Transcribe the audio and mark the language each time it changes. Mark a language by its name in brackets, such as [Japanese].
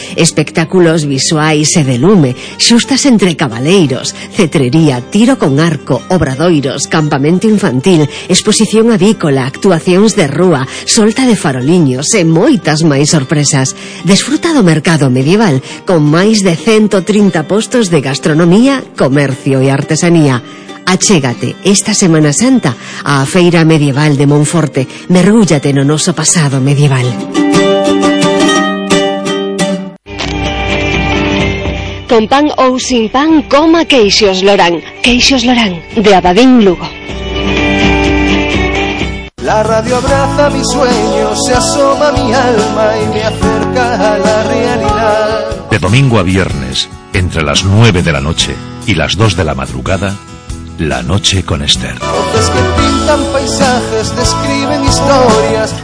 [Galician] Espectáculos visuais e de lume, xustas entre cabaleiros, cetrería, tiro con arco, obradoiros, campamento infantil, exposición avícola, actuacións de rúa, solta de faroliños e moitas máis sorpresas. Desfruta do mercado medieval con máis de 130 postos de gastronomía. Economía, comercio e artesanía. Achégate esta Semana Santa á Feira Medieval de Monforte. Mergúllate no noso pasado medieval. Con pan ou sin pan, coma Queixos Lorán. Queixos Lorán, de Abadín, Lugo. [Spanish] La radio abraza mi sueño, se asoma mi alma y me acerca a la realidad. De domingo a viernes, entre las 9 de la noche y las 2 de la madrugada, La Noche con Esther. Voces que pintan paisajes, describen historias.